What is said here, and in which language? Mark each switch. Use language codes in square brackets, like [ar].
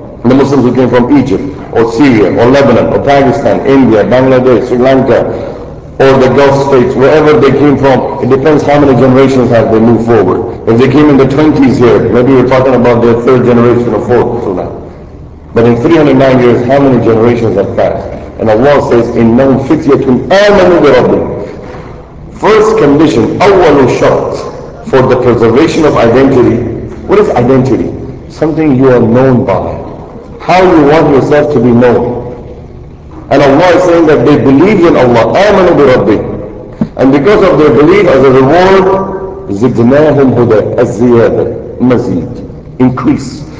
[en] The Muslims who came from Egypt, or Syria, or Lebanon, or Pakistan, India, Bangladesh, Sri Lanka, or the Gulf states, wherever they came from, it depends how many generations have they moved forward. If they came in the 20s here, maybe we're talking about their third generation or fourth for now. But in 309 years, how many generations have passed? And Allah says, [ar] إِنَّهُمْ فِتْيَةٌ آمَنُوا بِرَبِّهِمْ. [en] First condition, [ar] أَوَّلُ شَرْطٍ, [en] for the preservation of identity. What is identity? Something you are known by. How you want yourself to be known. And Allah is saying that they believe in Allah, [ar] آمَنُوا بِرَبِّهِمْ. [en] And because of their belief as a reward, [ar] زِدْنَاهُمْ هُدَى الزِّيَادَ مَزِيد. [en] Increase.